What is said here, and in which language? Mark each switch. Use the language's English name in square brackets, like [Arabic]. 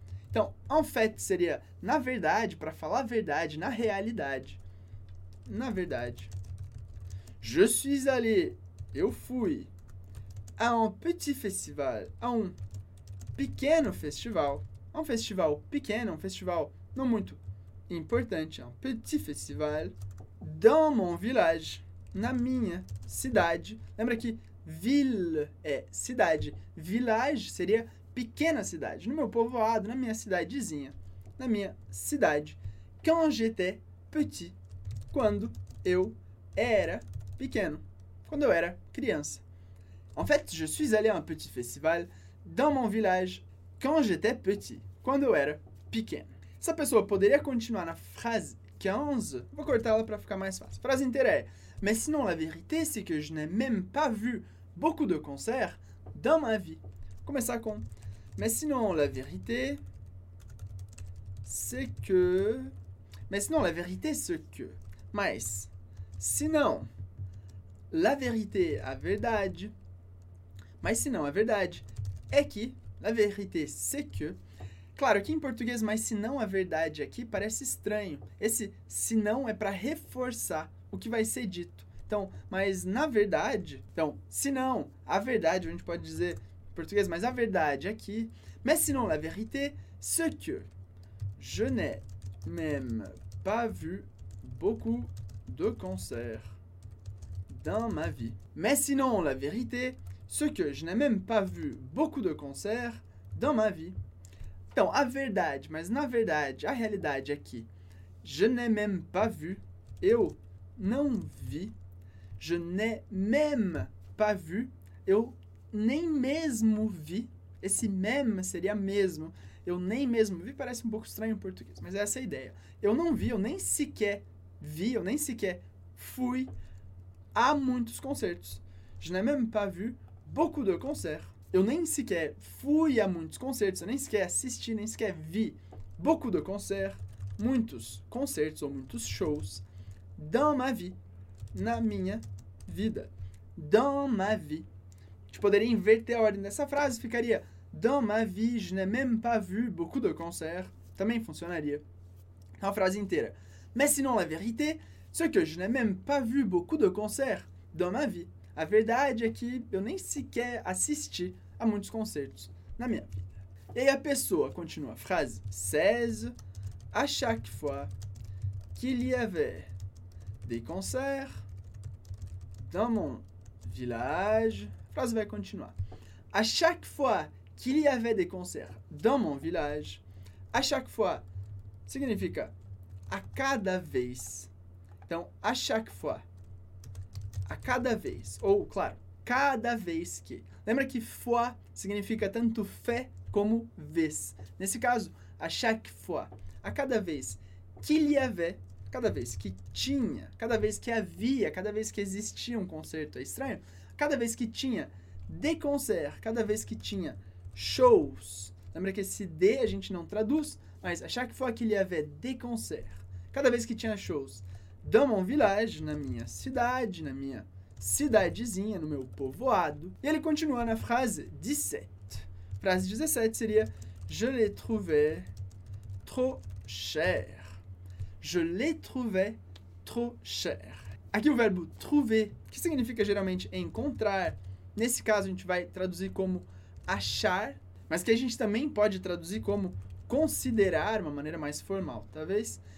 [Portuguese] Então, [French] en fait [Portuguese] seria na verdade, para falar a verdade, na realidade. Na verdade. [French] Je suis allé, [Portuguese] eu fui, [French] a un petit festival, [Portuguese] a um pequeno festival. Um festival pequeno, um festival não muito importante. [French] Un petit festival dans mon village, [Portuguese] na minha cidade. Lembra que ville é cidade, village seria pequena cidade, no meu povoado, na minha cidadezinha, na minha cidade. [French] Quand j'étais petit, [Portuguese] quando eu era pequeno, quando eu era criança. [French] En fait, je suis allé à un petit festival dans mon village quand j'étais petit, [Portuguese] quando eu era pequeno. Essa pessoa poderia continuar na frase 15? Vou cortá-la para ficar mais fácil. A frase inteira é: [French] Mais sinon, la vérité, c'est que je n'ai même pas vu beaucoup de concerts dans ma vie. [Portuguese] Começar com. [French] Mais sinon, la vérité, c'est que. Mais sinon, la vérité, c'est que. [Portuguese] Mas. [French] Sinon. La vérité, [Portuguese] a verdade. Mas sinon, a verdade é que. [French] La vérité, c'est que. [Portuguese] Claro que em português, mas sinon, a verdade aqui parece estranho. Esse sinon é para reforçar o que vai ser dito. Então, mas na verdade. Então, sinon, a verdade, a gente pode dizer. Português, mas a verdade aqui. [French] Mais sinon, la vérité, c'est que je n'ai même pas vu beaucoup de concerts dans ma vie. Mais sinon, la vérité, c'est que je n'ai même pas vu beaucoup de concerts dans ma vie. [Portuguese] Então, a verdade, mas na verdade, a realidade aqui. [French] Je n'ai même pas vu, [Portuguese] eu não vi. [French] Je n'ai même pas vu, [Portuguese] eu nem mesmo vi. Esse même seria mesmo. Eu nem mesmo vi, parece um pouco estranho em português, mas é essa a ideia. Eu não vi, eu nem sequer vi, eu nem sequer fui a muitos concertos. [French] Je n'ai même pas vu beaucoup de concerts. [Portuguese] Eu nem sequer fui a muitos concertos, eu nem sequer assisti, nem sequer vi [French] beaucoup de concerts, [Portuguese] muitos concertos ou muitos shows [French] dans ma vie, [Portuguese] na minha vida. [French] Dans ma vie. [Portuguese] A gente poderia inverter a ordem dessa frase, ficaria [French] Dans ma vie, je n'ai même pas vu beaucoup de concerts. [Portuguese] Também funcionaria. É uma frase inteira. [French] Mais sinon, la vérité, c'est que je n'ai même pas vu beaucoup de concerts dans ma vie. [Portuguese] A verdade é que eu nem sequer assisti a muitos concertos na minha vida. E aí a pessoa continua a frase 16. [French] À chaque fois qu'il y avait des concerts dans mon village. [Portuguese] A frase vai continuar. [French] À chaque fois qu'il y avait des concerts dans mon village, à chaque fois [Portuguese] significa a cada vez. Então, [French] à chaque fois, [Portuguese] a cada vez, ou claro, cada vez que. Lembra que fois significa tanto fé como vez. Nesse caso, [French] à chaque fois, [Portuguese] a cada vez [French] qu'il y avait, [Portuguese] cada vez que tinha, cada vez que havia, cada vez que existia um concerto, é estranho? Cada vez que tinha. [French] De concert, [Portuguese] cada vez que tinha shows. Lembra que esse de a gente não traduz, mas [French] à chaque fois qu'il y avait des concerts. [Portuguese] Cada vez que tinha shows [French] dans mon village, [Portuguese] na minha cidadezinha, no meu povoado. E ele continua na frase 17. Frase 17 seria [French] Je les trouvais trop cher. Je les trouvais trop cher. [Portuguese] Aqui o verbo trouver, que significa geralmente encontrar. Nesse caso, a gente vai traduzir como achar, mas que a gente também pode traduzir como considerar, uma maneira mais formal, talvez.